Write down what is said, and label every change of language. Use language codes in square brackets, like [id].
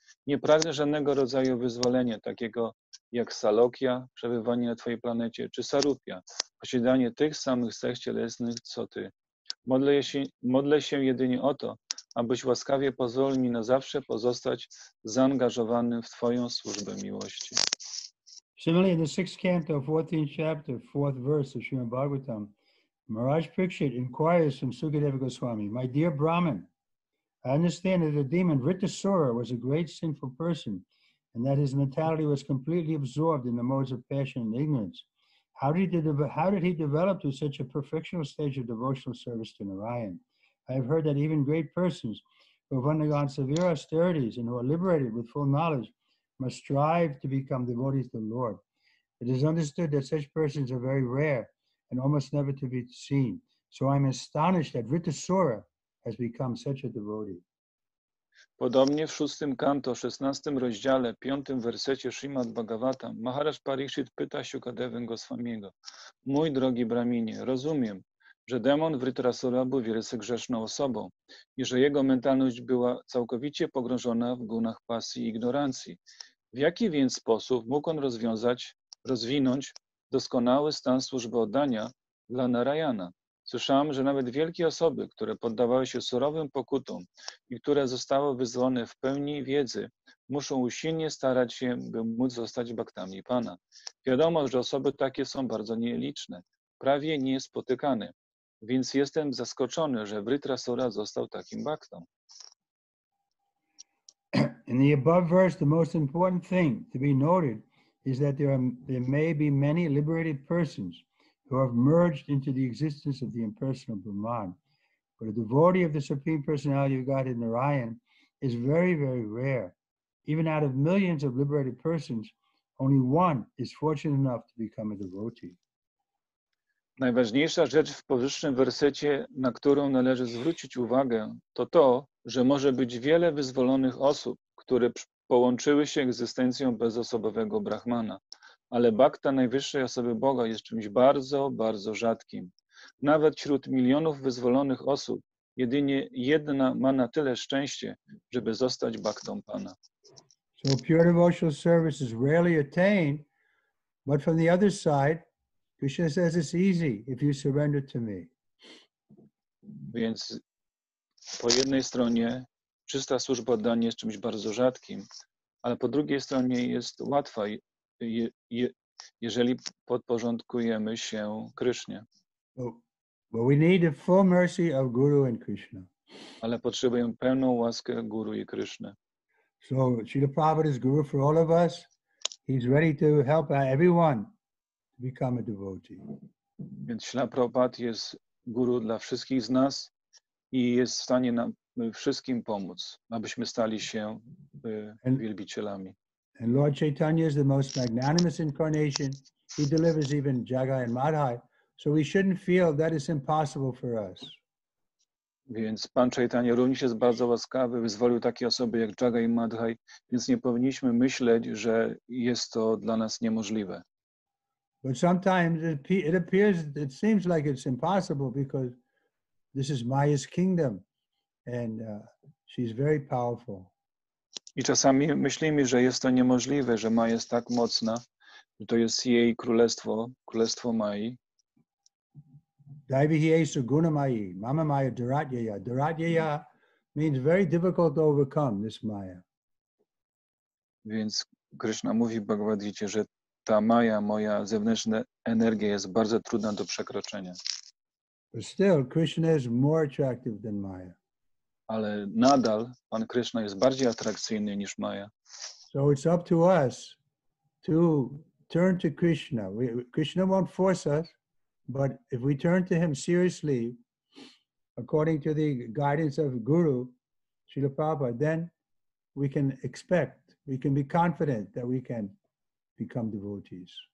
[pl] Nie pragnę żadnego rodzaju wyzwolenia, takiego jak Salokya, przebywanie na twojej planecie, czy Sarupya, posiadanie tych samych cech cielesnych, co ty. Modlę się jedynie o to, abyś łaskawie pozwolił mi na zawsze pozostać zaangażowanym w twoją służbę miłości. [en] Similarly, in the 6th canto, 14th chapter, 4th verse of Srimad Bhagavatam, Maharaj Parikshit inquires from Sukadeva Goswami, my dear Brahman, I understand that the demon Vritasura was a great sinful person and that his mentality was completely absorbed in the modes of passion and ignorance. How did he develop to such a perfectional stage of devotional service to Narayan? I have heard that even great persons who have undergone severe austerities and who are liberated with full knowledge must strive to become devotees to the Lord. It is understood that such persons are very rare and almost never to be seen. So I am astonished that Vritasura has become such a devotee. [pl] Podobnie w 6 kanto, 16 rozdziale, 5 wersecie Srimad Bhagavatam, Maharaj Parikshit pyta Sukadevę Goswamiego: mój drogi Brahminie, rozumiem, że demon Vritasura był wielce grzeszną osobą i że jego mentalność była całkowicie pogrążona w gunach pasji i ignorancji. W jaki więc sposób mógł on rozwinąć doskonały stan służby oddania dla Narayana? Słyszałem, że nawet wielkie osoby, które poddawały się surowym pokutom i które zostały wyzwolone w pełni wiedzy, muszą usilnie starać się, by móc zostać bhaktami Pana. Wiadomo, że osoby takie są bardzo nieliczne, prawie niespotykane. Więc jestem zaskoczony, że Vritasura został takim baktą. [en] In the above verse, the most important thing to be noted is that there may be many liberated persons who have merged into the existence of the impersonal Brahman. But a devotee of the Supreme Personality of Godhead Narayan is very, very rare. Even out of millions of liberated persons, only one is fortunate enough to become a devotee. [pl] Najważniejsza rzecz w powyższym wersecie, na którą należy zwrócić uwagę, to to, że może być wiele wyzwolonych osób, które połączyły się egzystencją bezosobowego Brahmana, ale bhakta najwyższej osoby Boga jest czymś bardzo, bardzo rzadkim. Nawet wśród milionów wyzwolonych osób jedynie jedna ma na tyle szczęście, żeby zostać bhaktą Pana. [en] So pure devotional service is rarely attained, but from the other side, Krishna says it's easy if you surrender to me. [pl] Więc po jednej stronie czysta służba oddania jest czymś bardzo rzadkim, ale po drugiej stronie jest łatwa, jeżeli podporządkujemy się Krishnie. [en] But we need the full mercy of Guru and Krishna. [pl] Ale potrzebujemy pełną łaskę Guru i Krishna. [en] So Srila Prabhupada is Guru for all of us. He's ready to help everyone become a devotee. [pl] Więc Śla Prabhupad jest guru dla wszystkich z nas i jest w stanie nam wszystkim pomóc, abyśmy stali się wielbicielami. [en] And Lord Chaitanya is the most magnanimous incarnation. He delivers even Jagai and Madhai. So we shouldn't feel that is impossible for us. [pl] Więc Pan Chaitanya również jest bardzo łaskawy, wyzwolił takie osoby jak Jagai i Madhai, więc nie powinniśmy myśleć, że jest to dla nas niemożliwe. [en] But sometimes it seems like it's impossible because this is Maya's kingdom and she's very powerful. [pl] I czasami myślimy, że jest to niemożliwe, że Maja jest tak mocna, że to jest jej królestwo, królestwo Mai. [sa] Daivihie suguna Mai, mama Maya duratyaya. [en] Duratyaya means very difficult to overcome, this Maya. [pl] Więc Krishna mówi w Bhagavad Gita, że ta Maja, moja zewnętrzna energia jest bardzo trudna do przekroczenia. [en] But still, Krishna is more attractive than Maya. [pl] Ale nadal Pan Krishna jest bardziej atrakcyjny niż Maja. [en] So it's up to us to turn to Krishna. Krishna won't force us, but if we turn to him seriously, according to the guidance of Guru, Srila Prabhupada, then we can expect, we can be confident that we can become devotees.